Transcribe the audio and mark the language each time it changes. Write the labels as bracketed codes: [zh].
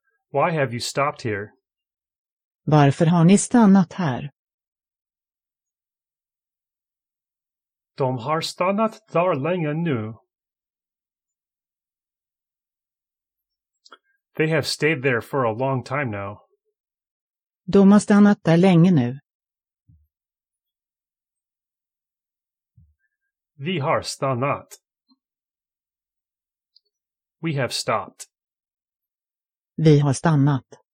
[en] Why have you stopped here? [sv] Varför har ni stannat här? De har stannat där länge nu. [en] They have stayed there for a long time now. [sv] De har stannat där länge nu. Vi har stannat. [en] We have stopped. [sv] Vi har stannat.